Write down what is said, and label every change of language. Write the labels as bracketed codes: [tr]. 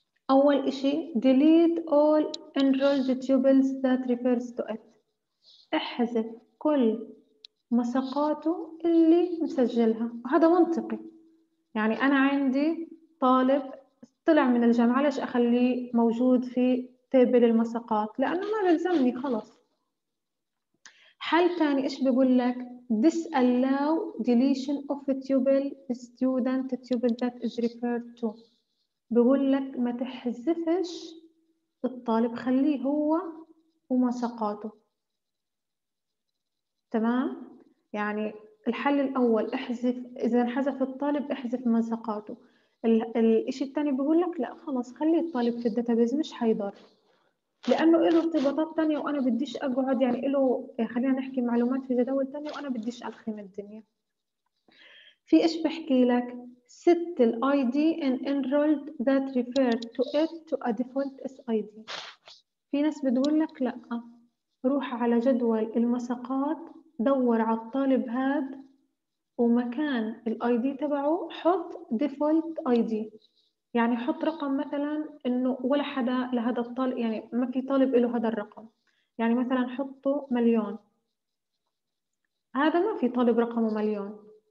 [ar] أول إشي [en] delete all enrolled tuples that refers to it، [ar] احذف كل مساقاته اللي مسجلها، وهذا منطقي. يعني أنا عندي طالب طلع من الجامعة، ليش أخليه موجود في تيبل المساقات؟ لأنه ما بيلزمني خلص. حل تاني إيش بيقول لك؟ [en] disallow deletion of a tuple student tuple that is referred to. [ar] بيقول لك ما تحذفش الطالب، خليه هو ومساقاته. تمام؟ يعني الحل الأول احذف، إذا انحذف الطالب احذف مساقاته. الإشي الثاني بيقول لك لا خلاص خلي الطالب في الداتابيز، مش حيضر لأنه له ارتباطات تانية وأنا بديش أقعد، يعني له خلينا نحكي معلومات في جداول تانية وأنا بديش ألخم الدنيا. في إيش بحكي لك؟ [en] set the ID and enrolled that referred to it to a default SID. [ar] في ناس بتقول لك لا روح على جدول المساقات دور على الطالب هاد ومكان الـ ID تبعه حط [en] default ID، [ar] يعني حط رقم مثلا انه ولا حدا لهذا الطالب، يعني ما في طالب له هذا الرقم، يعني مثلا حطه مليون، هذا ما في طالب رقمه مليون.